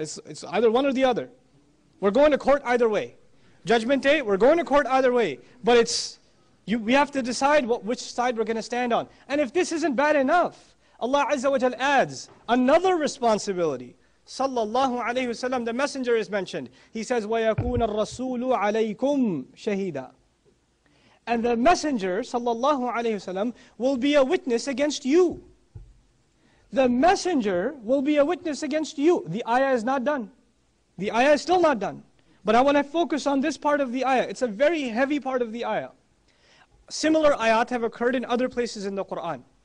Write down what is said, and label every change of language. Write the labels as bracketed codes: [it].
[en] It's either one or the other. We're going to court either way. Judgment day, we're going to court either way. But we have to decide which side we're going to stand on. And if this isn't bad enough, Allah Azza wa Jalla adds another responsibility. Sallallahu alayhi wa sallam, the messenger is mentioned. He says, [ar] وَيَكُونَ الرَّسُولُ عَلَيْكُمْ شَهِيدًا. [en] And the messenger, sallallahu alayhi wa sallam, will be a witness against you. The messenger will be a witness against you. The ayah is not done. The ayah is still not done. But I want to focus on this part of the ayah. It's a very heavy part of the ayah. Similar ayat have occurred in other places in the Quran.